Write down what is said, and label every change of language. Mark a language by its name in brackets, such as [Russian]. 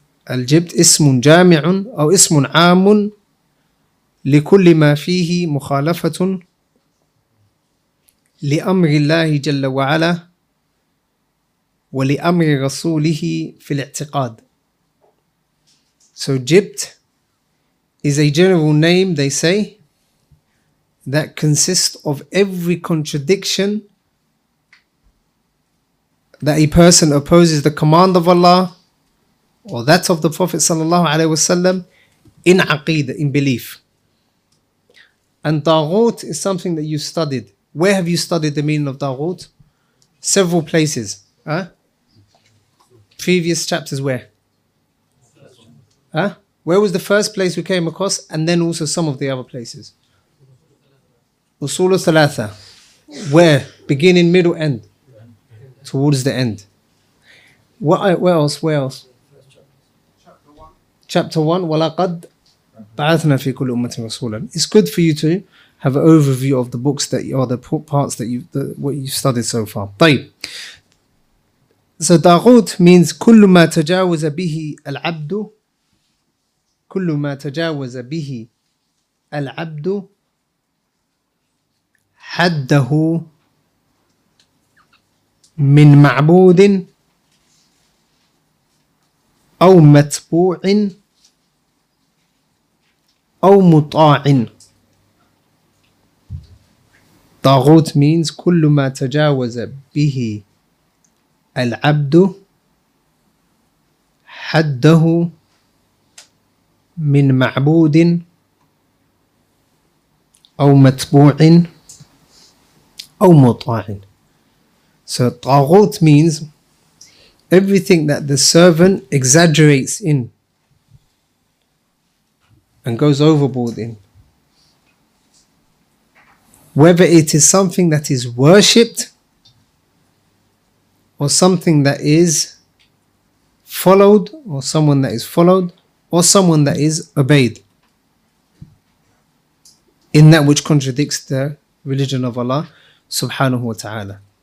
[Arabic] الجبت اسم جامع أو اسم عام لكل ما فيه مخالفة لأمر الله جل وعلا ولأمر رسوله في الاعتقاد. [English] So جبت is a general name, they say, that consists of every contradiction that a person opposes the command of Allah or that of the Prophet sallallahu alaihi wasallam in aqidah, in belief. And taghut is something that you studied. Where have you studied the meaning of taghut? Several places. Huh? Previous chapters where? Huh? Where was the first place we came across, and then also some of the other places? Usul al-Thalatha. Where? Beginning, middle, end. Towards the end. Where else? Where else? Chapter 1. [Arabic] وَلَقَدْ بَعَثْنَا فِي كُلْ أُمَّةٍ رَسُولًا. [English] It's good for you to have an overview of the books that you, or the parts that you, the, what you've studied so far. [Arabic] طيب. [English] So [Arabic] تَغُوت [English] means [Arabic] كُلُّ مَا تَجَاوَزَ بِهِ الْعَبْدُ كُلُّ مَا تَجَاوَزَ بِهِ الْعَبْدُ حده من معبود أو متبوع أو مطاع. طاغوت [English] means [Arabic] كل ما تجاوز به العبد حده من معبود أو متبوع أو مطاع. [English] So طاغوت means everything that the servant exaggerates in and goes overboard in. Whether it is something that is worshipped or something that is followed or someone that is followed or someone that is obeyed in that which contradicts the religion of Allah subhanahu wa ta'ala.